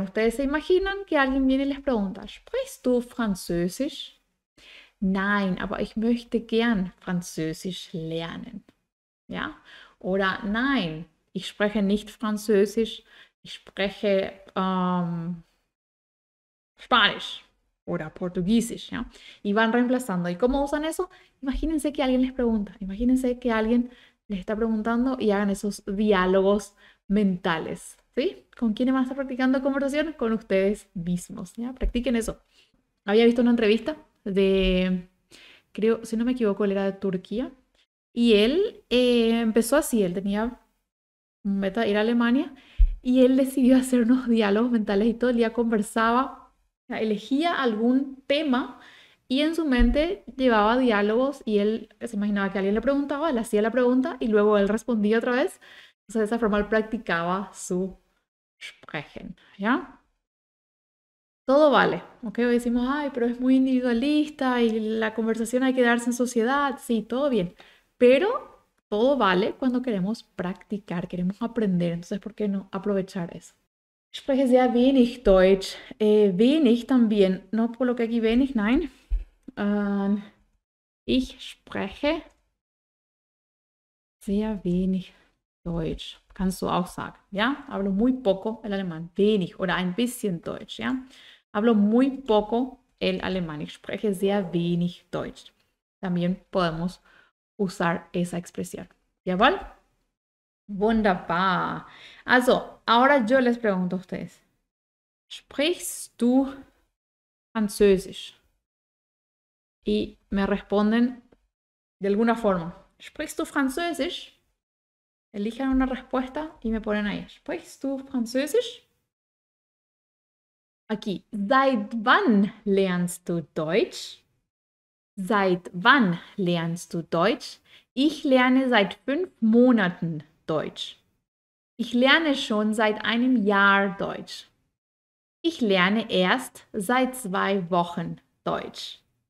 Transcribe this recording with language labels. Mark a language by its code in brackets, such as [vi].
[es] Ustedes se imaginan que alguien viene y les pregunta, [de] ¿sprichst du Französisch? Nein, aber ich möchte gern Französisch lernen. Ja? Oder nein, ich spreche nicht Französisch, ich spreche Spanisch oder Portugiesisch. Ja? [es] Y van reemplazando. ¿Y cómo usan eso? Imagínense que alguien les pregunta, imagínense que alguien les está preguntando y hagan esos diálogos mentales. ¿Sí? ¿Con quién van a estar practicando conversación? Con ustedes mismos. ¿Ya? Practiquen eso. Había visto una entrevista de, creo, si no me equivoco, él era de Turquía. Y él empezó así. Él tenía meta ir a Alemania. Y él decidió hacer unos diálogos mentales y todo el día conversaba. Elegía algún tema y en su mente llevaba diálogos. Y él se imaginaba que alguien le preguntaba, le hacía la pregunta y luego él respondía otra vez. O sea, de esa forma él practicaba su sprechen, ¿ya? Todo vale, ¿ok? Hoy decimos, ay, pero es muy individualista y la conversación hay que darse en sociedad. Sí, todo bien. Pero todo vale cuando queremos practicar, queremos aprender. Entonces, ¿por qué no aprovechar eso? [de] Spreche sehr wenig Deutsch. [es] Wenig también. No por lo que aquí [de] wenig, nein. Ich spreche sehr wenig Deutsch, kannst du auch sagen, ja? [es] Hablo muy poco el alemán, [de] wenig oder ein bisschen Deutsch, ja? [es] Hablo muy poco el alemán, [de] ich spreche sehr wenig Deutsch. [es] También podemos usar esa expresión, ¿ya? [de] Wunderbar. Also, [es] ahora yo les pregunto a ustedes, [de] ¿sprichst du Französisch? [es] Y me responden de alguna forma, [de] ¿sprichst du Französisch? [es] Elijan una respuesta y me ponen ahí. [de] ¿Sprichst du Französisch? [es] Aquí. [de] ¿Seit wann lernst du Deutsch? ¿Seit wann lernst du Deutsch? Ich lerne seit 5 Monaten Deutsch. Ich lerne schon seit einem Jahr Deutsch. Ich lerne erst seit 2 Wochen Deutsch.